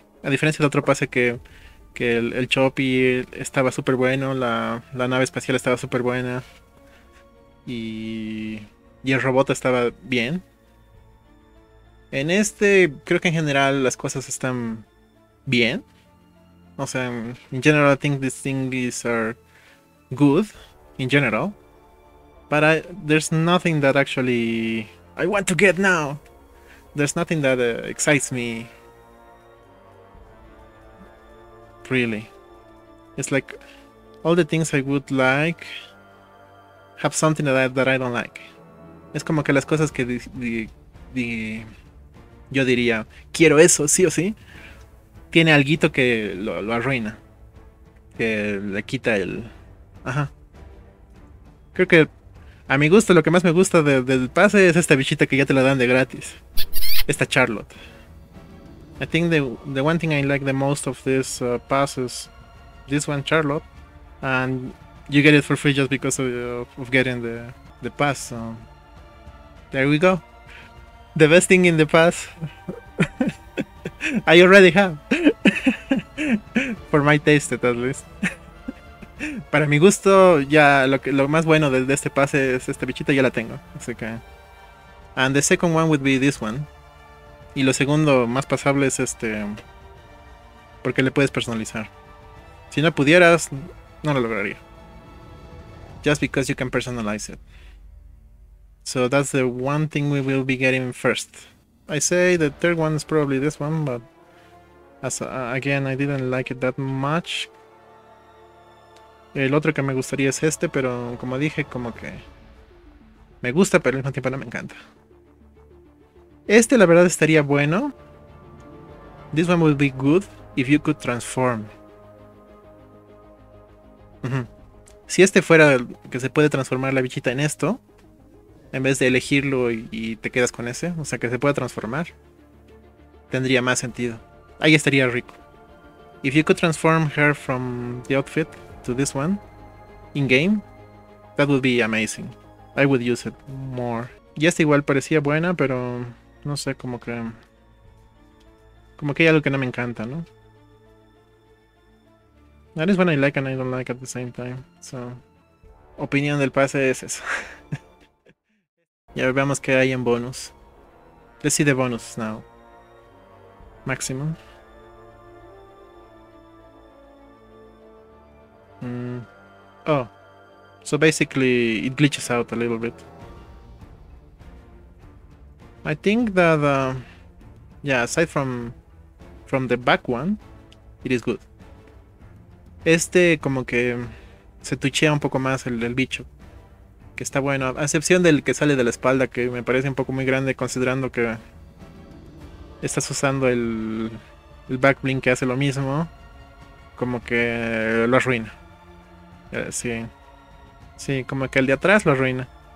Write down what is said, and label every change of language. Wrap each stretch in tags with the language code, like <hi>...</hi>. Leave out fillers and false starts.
<es>A diferencia del otro pase que el Choppy estaba súper bueno, la nave espacial estaba súper buena. Y el robot estaba bien. En este, creo que en general las cosas están bien. O sea,</es> <en>in general I think these things are good, in general. But there's nothing that actually I want to get now. There's nothing that excites me. Really. It's like all the things I would like have something that I don't like.</en> <es>Es como que las cosas que yo diría, quiero eso, sí o sí, tiene alguito que lo arruina. Que le quita el... Ajá. Creo que a mi gusto, lo que más me gusta del pase es esta bichita que ya te la dan de gratis. Esta Charlotte.</es> <en>I think the one thing I like the most of this pass is this one, Charlotte. And you get it for free just because of getting the pass, so there we go. The best thing in the pass I already have. For my taste, at least.</en> <es>Para mi gusto, ya lo más bueno de este pase es esta bichita, ya la tengo. Así que...</es> <en>And the second one would be this one.</en> <es>Y lo segundo más pasable es este... Porque le puedes personalizar. Si no pudieras, no lo lograría.</es> <en>Just because you can personalize it. So that's the one thing we will be getting first. I say the third one is probably this one, but... Again, I didn't like it that much.</en> <es>El otro que me gustaría es este, pero como dije, como que me gusta, pero al mismo tiempo no me encanta. Este, la verdad, estaría bueno.</es> <en>This one would be good if you could transform.</en> <es>Si este fuera que se puede transformar la bichita en esto, en vez de elegirlo y te quedas con ese, o sea, que se pueda transformar, tendría más sentido. Ahí estaría rico.</es> <en>If you could transform her from the outfit to this one in game, that would be amazing. I would use it more.</en> <es>Y esta igual parecía buena, pero no sé, como que hay algo que no me encanta, ¿no?</es> <en>That is when I like and I don't like at the same time.</en> <es>So, opinión del pase es eso. Ya veamos qué hay en bonus.</es> <en>Let's see the bonus now. Maximum. Oh, so basically it glitches out a little bit. I think that, aside from the back one, it is good.</en> <es>Este como que se tuchea un poco más el bicho, que está bueno, a excepción del que sale de la espalda, que me parece un poco muy grande considerando que estás usando el back bling que hace lo mismo, como que lo arruina. Sí, como que el de atrás lo arruina.</es>